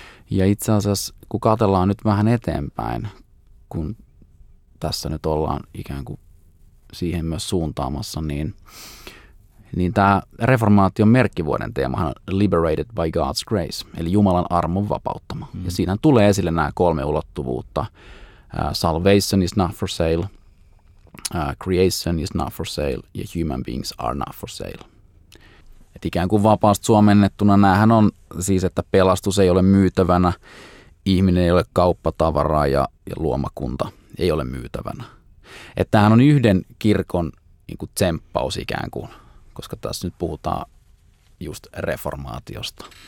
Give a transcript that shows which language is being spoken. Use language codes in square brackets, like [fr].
[fi] Ja itse asiassa, kun katsellaan nyt vähän eteenpäin, kun tässä nyt ollaan ikään kuin siihen myös suuntaamassa, niin tämä reformaation merkkivuoden teemahan on [en] Liberated by God's Grace, [fi] eli Jumalan armon vapauttama. Mm. Ja siinähän tulee esille nämä kolme ulottuvuutta. [en] Salvation is not for sale. Creation is not for sale [fi] ja [en] human beings are not for sale. [fi] Et ikään kuin vapaasti suomennettuna näähän on siis, että pelastus ei ole myytävänä, ihminen ei ole kauppatavaraa ja luomakunta ei ole myytävänä. Et tämähän on yhden kirkon niin kuin tsemppaus ikään kuin, koska tässä nyt puhutaan just reformaatiosta.